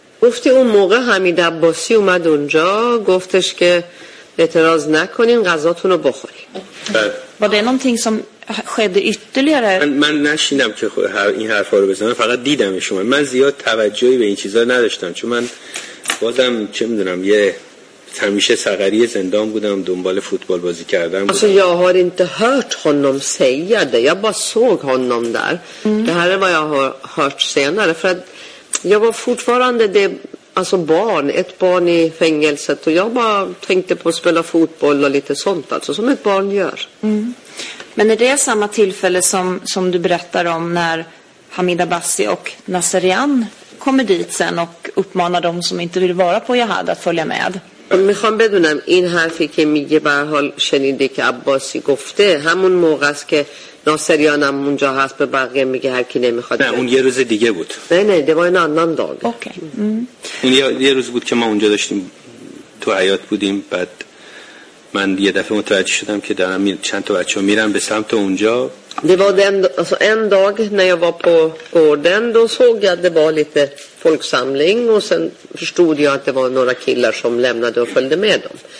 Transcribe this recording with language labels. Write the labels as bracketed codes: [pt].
[fa] گفتی اون موقع حمید عباسی اومد اونجا گفتش که اعتراض نکنین غذاتون رو بخوری. [sv] Var det någonting som skedde ytterligare? [fa] من نشیدم که این حرفا رو بزنم، فقط دیدم شما. من زیاد توجهی به این چیزا نداشتم چون من بازم چه میدونم یه همیشه صغری زندان بودم، دنبال فوتبال بازی کردم. [sv] Alltså jag har inte hört honom säga det. Jag bara såg honom där. Det här är vad jag har hört senare för att jag var fortfarande det, alltså barn, ett barn i fängelset och jag bara tänkte på att spela fotboll och lite sånt, alltså som ett barn gör. Mm. Men är det samma tillfälle som du berättar om när Hamid Abbasi och Nasserian kommer dit sen och uppmanar dem som inte vill vara på jihad att följa med? [fa] می خوام بدونم این حرفی که میگه به هر حال شنیده که عباسی گفته همون موقع است که ناصریان هم اونجا هست به بقیه میگه هر کی نمیخواد؟ نه اون یه روز دیگه بود. نه دیگه اون آنان داگ. اوکی. اون یه روز بود که ما اونجا داشتیم تو حیات بودیم، بعد من یه دفعه متوجه شدم که دارم چند تا بچه‌ها میرن به سمت اونجا. [sv] Det var den, alltså en dag när jag var på gården, då såg jag att det var lite folksamling och sen förstod jag att det var några killar som lämnade och följde med dem.